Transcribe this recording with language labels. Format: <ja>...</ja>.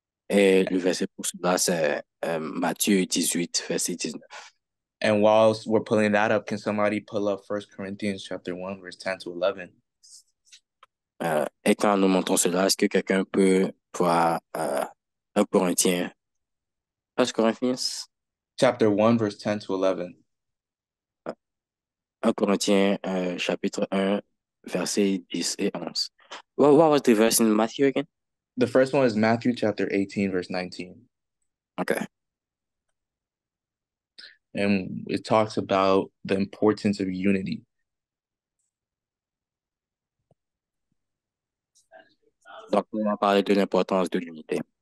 <fr>Et le verset pour cela, c'est Matthieu 18, verset 19.</fr> <en>And while we're pulling that up, can somebody pull up 1 Corinthians chapter 1, verse 10 to 11?</en> <fr>Et quand nous montrons cela, est-ce que quelqu'un peut voir 1 Corinthiens? 1 Corinthiens?</fr> <en>Chapter 1, verse 10 to 11.</en> <fr>1 Corinthiens, chapitre 1, verset 10 et 11.</fr> <en>What was the verse in Matthew again? The first one is Matthew chapter 18, verse 19. Okay. And it talks about the importance of unity.</en> <fr>Donc, on va parler de l'importance de l'unité.</fr>